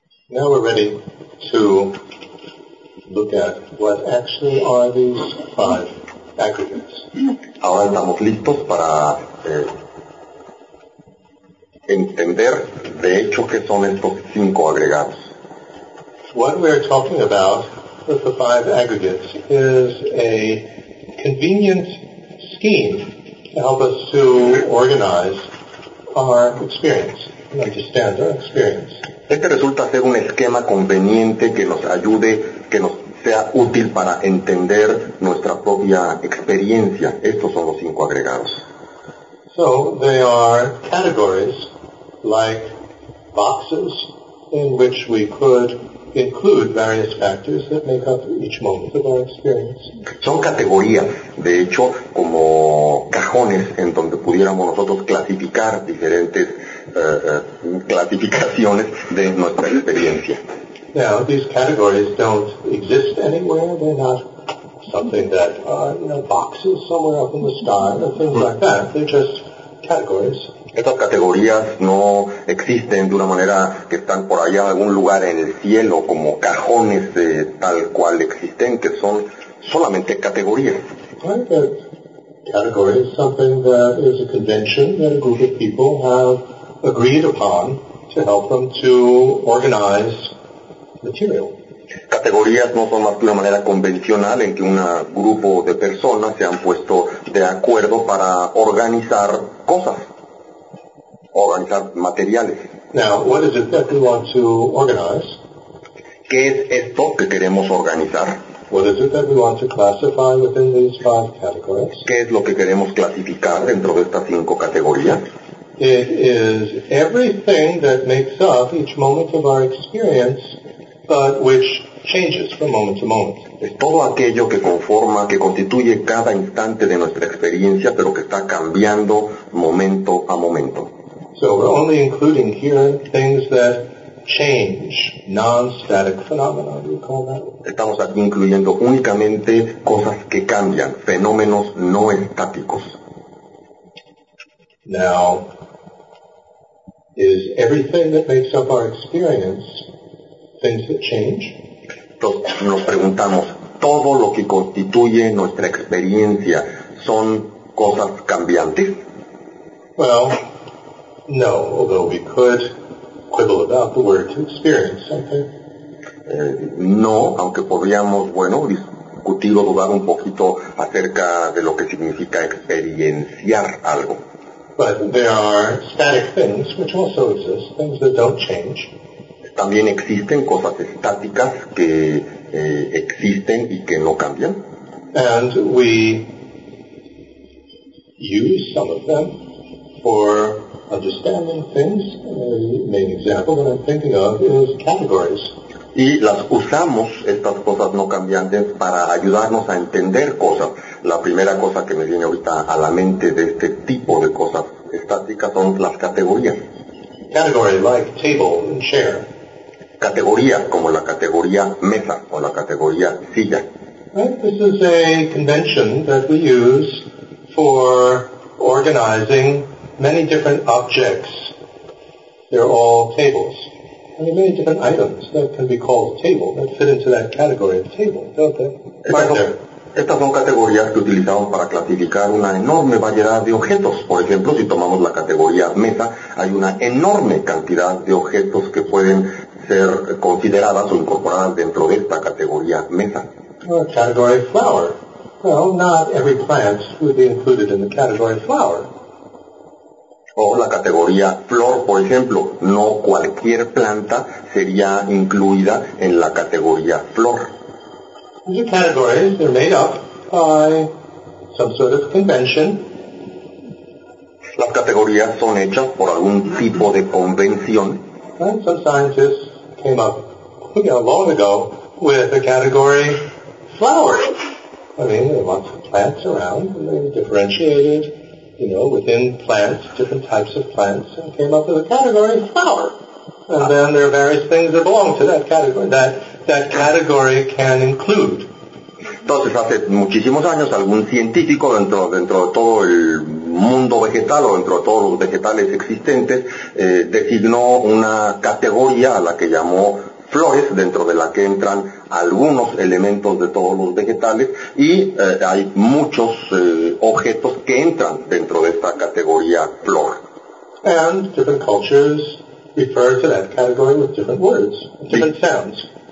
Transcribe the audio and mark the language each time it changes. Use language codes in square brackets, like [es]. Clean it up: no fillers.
[en] Now we're ready to look at what actually are these five aggregates. [es] Ahora estamos listos para entender de hecho qué son estos cinco agregados. [en] What we're talking about with the five aggregates is a convenient scheme to help us to organize our experience, and understand our experience. [es] Este resulta ser un esquema conveniente que nos ayude, que nos sea útil para entender nuestra propia experiencia. Estos son los cinco agregados. [en] So, they are categories like boxes in which we could include various factors that make up each moment of our experience. [es] Son categorías, de hecho, como cajones en donde pudiéramos nosotros clasificar diferentes clasificaciones de nuestra experiencia. [en] Now, these categories don't exist anywhere. They're not something that are, you know, boxes somewhere up in the sky or things like that. They're just categories. [es] Estas categorías no existen de una manera que están por allá en algún lugar en el cielo como cajones de tal cual existen, que son solamente categorías. [en] Right, category is something that is a convention that a group of people have agreed upon to help them to organize material. [es] Categorías no son más que una manera convencional en que un grupo de personas se han puesto de acuerdo para organizar cosas, organizar materiales. [en] Now, what is it that we want to organize? [es] ¿Qué es esto que queremos organizar? [en] What is it that we want to classify within these five categories? [es] ¿Qué es lo que queremos clasificar dentro de estas cinco categorías? [en] It is everything that makes up each moment of our experience, but which changes from moment to moment. [es] Es todo aquello que conforma, que constituye cada instante de nuestra experiencia, pero que está cambiando momento a momento. [en] So we're only including here things that change, non-static phenomena, do you call that? [es] Estamos aquí incluyendo únicamente cosas que cambian, fenómenos no estáticos. [en] Now, is everything that makes up our experience things that change? [es] Entonces nos preguntamos, ¿todo lo que constituye nuestra experiencia son cosas cambiantes? [en] Well, no, although we could quibble about the word to experience something. [es] No, aunque podríamos, bueno, discutir o dudar un poquito acerca de lo que significa experienciar algo. [en] But there are static things which also exist, things that don't change. [es] También existen cosas estáticas que existen y que no cambian. [en] And we use some of them for understanding things. Main example that I'm thinking of is categories. [es] Y las usamos, estas cosas no cambiantes, para ayudarnos a entender cosas. La primera cosa que me viene ahorita a la mente de este tipo de cosas estáticas son las categorías. [en] Category like table and chair. [es] Categorías como la categoría mesa o la categoría silla. [en] Right, this is a convention that we use for organizing many different objects. They're all tables. There are many different items that can be called table, that fit into that category of table, don't they? [es] Estas son categorías que utilizamos para clasificar una enorme variedad de objetos. Por ejemplo, si tomamos la categoría mesa, hay una enorme cantidad de objetos que pueden ser consideradas o incorporadas dentro de esta categoría mesa. [en] Or category flower. Well, not every plant would be included in the category flower. [es] O la categoría flor, por ejemplo, no cualquier planta sería incluida en la categoría flor. [en] These are categories, they're made up by some sort of convention. [es] Las categorías son hechas por algún tipo de convención. [en] And some scientists came up, you know, long ago with the category flower. I mean, there are lots of plants around, and they differentiated, you know, within plants, different types of plants, and came up with a category flower. And then there are various things that belong to that category, that category can include. [es] Entonces, hace muchísimos años, algún científico dentro de todo el mundo vegetal o dentro de todos los vegetales existentes designó una categoría a la que llamó flores, dentro de la que entran algunos elementos de todos los vegetales, y hay muchos objetos que entran dentro de esta categoría flor. [en] And different cultures refer to that category with different words, different sounds.